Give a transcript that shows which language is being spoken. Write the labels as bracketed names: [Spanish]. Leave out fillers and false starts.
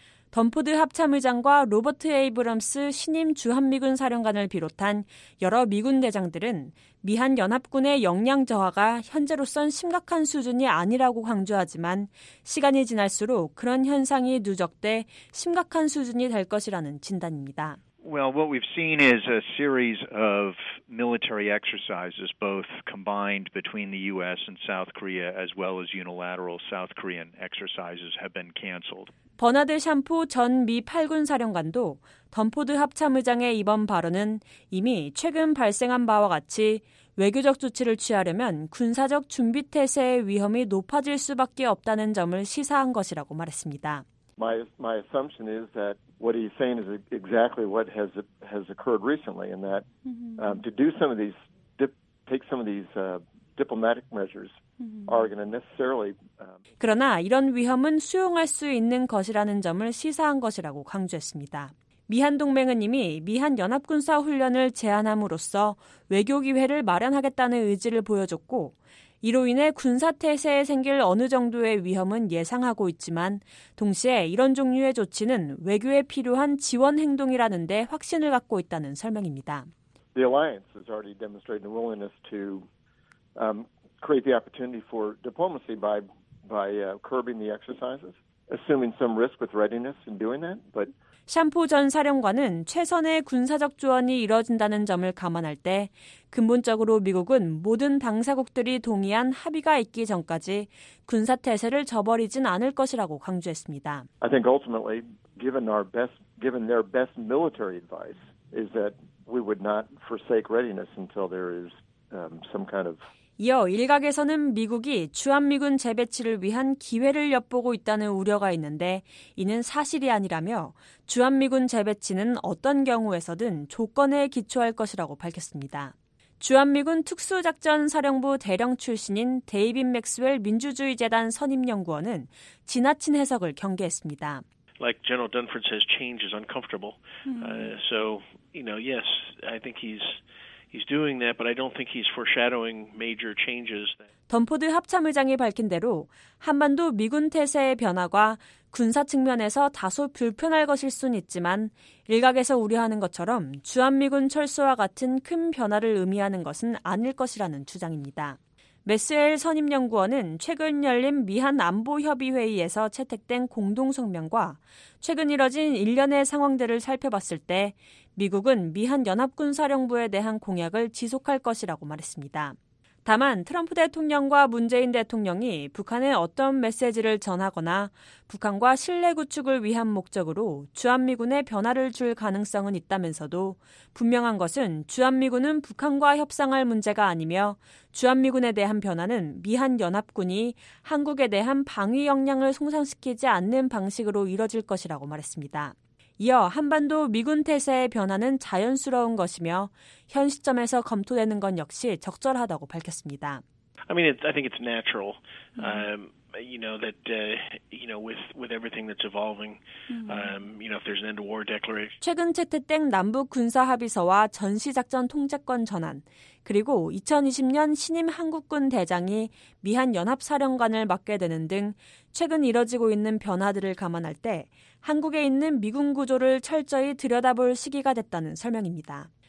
[Korean] 던포드 합참의장과 로버트 에이브럼스 신임 주한미군 사령관을 비롯한 여러 미군 대장들은 미한 연합군의 역량 저하가 현재로선 심각한 수준이 아니라고 강조하지만 시간이 지날수록 그런 현상이 누적돼 심각한 수준이 될 것이라는 진단입니다. [English] Well, what we've seen is a series of military exercises, both combined between the U.S. and South Korea, as well as unilateral South Korean exercises have been canceled. [Korean] 버나드 샴푸 전 미 8군 사령관도 던포드 합참의장의 이번 발언은 이미 최근 발생한 바와 같이 외교적 조치를 취하려면 군사적 준비태세의 위험이 높아질 수밖에 없다는 점을 시사한 것이라고 말했습니다. [English] My assumption is that what he's saying is exactly what has occurred recently, and that to do some of these, take some of these diplomatic measures are going to necessarily. [Korean] 그러나 이런 위험은 수용할 수 있는 것이라는 점을 시사한 것이라고 강조했습니다. 미한 동맹은 이미 미한 연합군사 훈련을 제안함으로써 외교 기회를 마련하겠다는 의지를 보여줬고. 이로 인해 군사 태세에 생길 어느 정도의 위험은 예상하고 있지만 동시에 이런 종류의 조치는 외교에 필요한 지원 행동이라는 데 확신을 갖고 있다는 설명입니다. [English] The alliance has already demonstrated a willingness to create the opportunity for diplomacy by curbing the exercises, assuming some risk with readiness in doing that, but [Korean] 샴푸 전 사령관은 최선의 군사적 조언이 이뤄진다는 점을 감안할 때 근본적으로 미국은 모든 당사국들이 동의한 합의가 있기 전까지 군사 태세를 저버리진 않을 것이라고 강조했습니다. [English] I think ultimately given their best military advice, is that we would not forsake readiness until there is some kind of. [Korean] 이어 일각에서는 미국이 주한미군 재배치를 위한 기회를 엿보고 있다는 우려가 있는데 이는 사실이 아니라며 주한미군 재배치는 어떤 경우에서든 조건에 기초할 것이라고 밝혔습니다. 주한미군 특수작전사령부 대령 출신인 데이빈 맥스웰 민주주의재단 선임연구원은 지나친 해석을 경계했습니다. [English] Like General Dunford says, change is uncomfortable. So, you know, yes, I think he's doing that, but I don't think he's foreshadowing major changes. [Korean] 던포드 합참의장이 밝힌 대로 한반도 미군 태세의 변화가 군사 측면에서 다소 불편할 것일 순 있지만 일각에서 우려하는 것처럼 주한미군 철수와 같은 큰 변화를 의미하는 것은 아닐 것이라는 주장입니다. 메스엘 선임연구원은 최근 열린 미한 안보협의회의에서 채택된 공동성명과 최근 이뤄진 일련의 상황들을 살펴봤을 때 미국은 미한 연합군사령부에 대한 공약을 지속할 것이라고 말했습니다. 다만 트럼프 대통령과 문재인 대통령이 북한에 어떤 메시지를 전하거나 북한과 신뢰 구축을 위한 목적으로 주한미군에 변화를 줄 가능성은 있다면서도 분명한 것은 주한미군은 북한과 협상할 문제가 아니며 주한미군에 대한 변화는 미한 연합군이 한국에 대한 방위 역량을 손상시키지 않는 방식으로 이뤄질 것이라고 말했습니다. 이어 한반도 미군 태세의 변화는 자연스러운 것이며 현 시점에서 검토되는 건 역시 적절하다고 밝혔습니다. [English] I mean, I think it's natural, you know, that you know, with everything that's evolving, you know, if there's an end to war declaration. [Korean] 최근 채택된 남북 군사 합의서와 전시 작전 통제권 전환, 그리고 2020년 신임 한국군 대장이 미한 연합 사령관을 맡게 되는 등 최근 이뤄지고 있는 변화들을 감안할 때. 한국에 있는 미군 구조를 철저히 들여다볼 시기가 됐다는 설명입니다.